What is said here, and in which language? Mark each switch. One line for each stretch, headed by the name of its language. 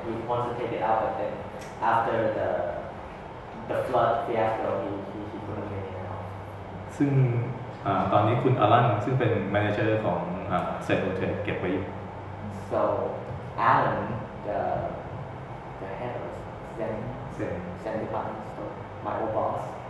English: He wants to take it out, but then after the flood fiasco he couldn't get it out.
Thai: ซึ่งตอนนี้คุณอลันซึ่งเป็นแมเนเจอร์ของเซ็ตโลโก้เก็บไว้อยู่
English: soAlan, the head of Zen department store, my old boss.